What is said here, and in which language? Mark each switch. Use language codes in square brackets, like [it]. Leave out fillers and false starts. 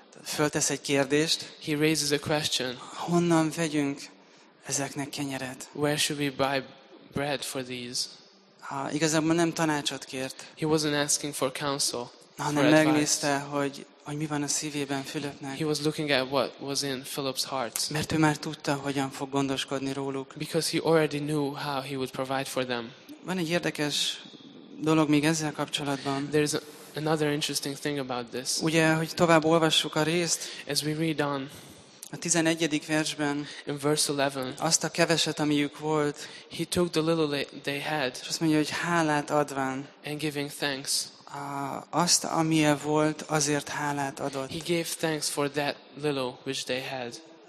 [hu] Föltesz egy kérdést. [en] He raises a question. [hu] Honnan vegyünk ezeknek kenyeret? [en] Where should we buy bread for these? [hu] Igazából nem tanácsot kért. [en] He wasn't asking for counsel. [hu] Hanem megnézte, hogy mi van a szívében Fülöpnek. [en] He was looking at what was in Philip's heart. [hu] Mert ő már tudta, hogyan fog gondoskodni róluk. [en] Because he already knew how he would provide for them. [hu] Van egy érdekes dolog még ezzel kapcsolatban. [en] There is another interesting thing about this. [hu] Ugye, hogy tovább olvassuk a részt. [en] As we read on. [hu] A 11. versben. [en] In verse 11. [hu] Azt a keveset, amiük volt. [en] He took the little they had. [hu] És azt mondja, hogy hálát adván. [en] And giving thanks. [hu] Azt, amilyen volt, azért hálát adott. [en] He gave thanks for that little which they had.